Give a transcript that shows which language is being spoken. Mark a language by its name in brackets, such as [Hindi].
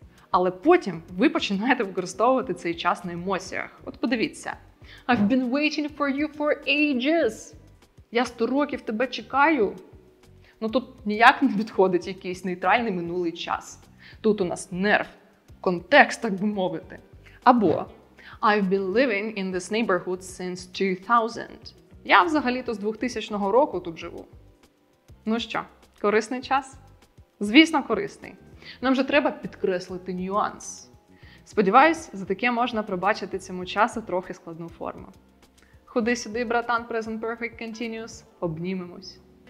[Ukrainian] Але потім ви починаєте використовувати цей час на емоціях. От подивіться. [English] I've been waiting for you for ages. [Ukrainian] Я 100 років тебе чекаю. Ну тут ніяк не підходить якийсь нейтральний минулий час. Тут у нас нерв, контекст, так би мовити. [English] Або I've been living in this neighborhood since 2000. [Ukrainian] Я взагалі-то з 2000 року тут живу. Ну що, корисний час? Звісно, корисний. Нам же треба підкреслити нюанс. Сподіваюсь, за таке можна пробачити цьому часу трохи складну форму. Худи-сюди, братан, Present Perfect Continuous, обнімемось.